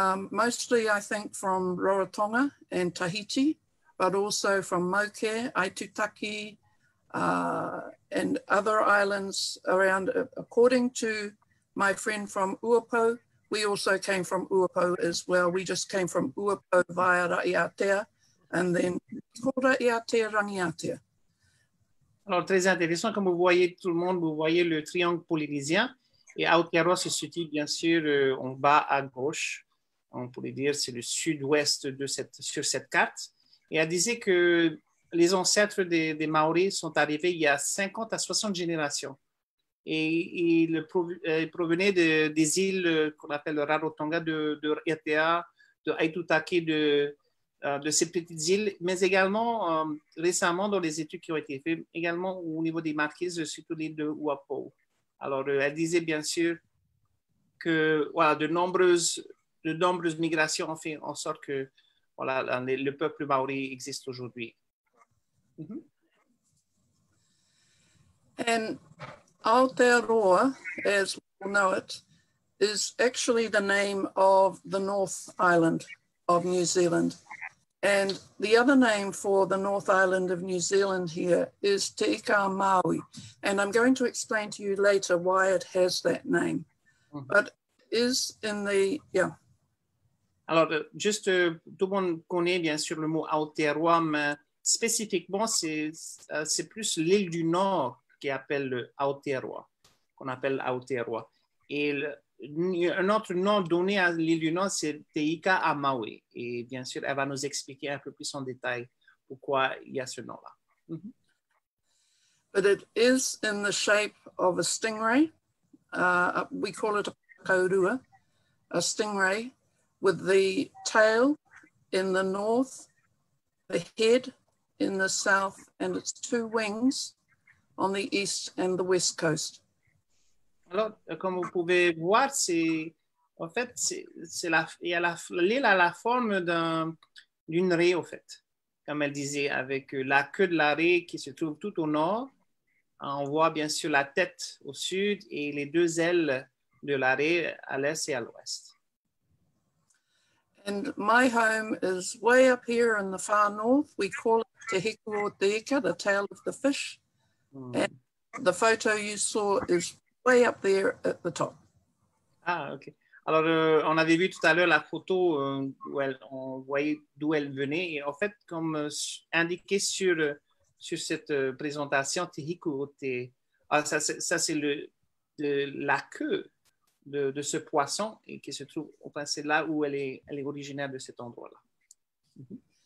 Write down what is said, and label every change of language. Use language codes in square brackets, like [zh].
[en] Mostly, I think, from Rarotonga and Tahiti, but also from Mauke, Aitutaki, and other islands around. According to my friend from Uapo, we also came from Uapo as well. We just came from Uapo via Raiatea, and then Raiatea, Rangiatea. [fr] Alors, très intéressant, comme vous voyez tout le monde, vous voyez le triangle polynésien, et Aotearoa se situe, bien sûr, en bas à gauche. On pourrait dire c'est le sud-ouest de sur cette carte. Et elle disait que les ancêtres des Maoris sont arrivés il y a 50 à 60 générations. Et ils provenaient des îles qu'on appelle Rarotonga, de Raiatea, de Aitutaki, de de ces petites îles, mais également récemment dans les études qui ont été faites, également au niveau des Marquises, surtout l'île de Huapo. Alors, elle disait bien sûr que voilà, de nombreuses migrations ont fait en sorte que voilà, le peuple maori existe aujourd'hui. Mm-hmm. [en] And Aotearoa, as we all know it, is actually the name of the North Island of New Zealand. And the other name for the North Island of New Zealand here is Te Ika Māui. And I'm going to explain to you later why it has that name. Mm-hmm. But is in the, yeah. [fr] Alors, juste, tout le monde connaît bien sûr le mot Aotearoa, mais spécifiquement, c'est plus l'île du Nord qui appelle le Aotearoa, qu'on appelle Aotearoa. Et un autre nom donné à l'île du Nord, c'est Te Ika a Māui. Et bien sûr, elle va nous expliquer un peu plus en détail pourquoi il y a ce nom-là. Mm-hmm. [en] But it is in the shape of a stingray. We call it a kaurua, a stingray, with the tail in the north, the head in the south, and its two wings on the east and the west coast. Alors, comme vous pouvez voir, l'île a la forme d'une raie, en fait, comme elle disait, avec la queue de la raie qui se trouve tout au nord. On voit bien sûr la tête au sud et les deux ailes de la raie à l'est et à l'ouest. And my home is way up here in the far north. We call it Te Hiku o Te Ika, the tail of the fish. Mm. And the photo you saw is way up there at the top. Ah, OK. [fr] Alors, on avait vu tout à l'heure la photo où on voyait d'où elle venait. Et en fait, comme indiqué sur cette présentation, Te Hiku o Te... Ça, c'est la queue. De ce poisson et qui se trouve au passé là où elle est originaire de cet endroit-là.